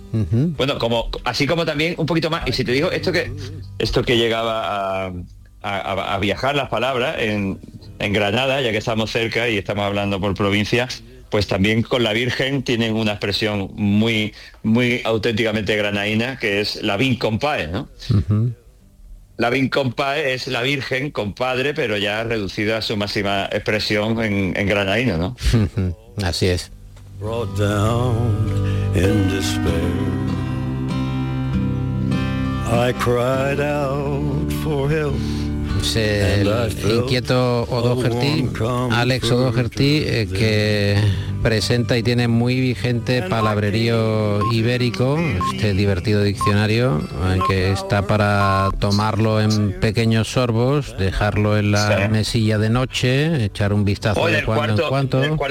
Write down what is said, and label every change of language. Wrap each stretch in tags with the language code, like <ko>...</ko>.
<es>Bueno, como así como también un poquito más. Y si te digo esto que llegaba a viajar las palabras en Granada, ya que estamos cerca y estamos hablando por provincia, pues también con la Virgen tienen una expresión muy, muy auténticamente granaína, que es la Vin Compae, ¿no? La Vin Compae es la Virgen, compadre, pero ya reducida a su máxima expresión en granadino, ¿no? Así es.</es> <en>Brought down in despair, I cried out for help.</en> <es>El inquieto O'Doherty, Alex O'Doherty, que presenta y tiene muy vigente Palabrerío Ibérico, este divertido diccionario, que está para tomarlo en pequeños sorbos, dejarlo en la mesilla de noche, echar un vistazo de cuando en cuanto.</es>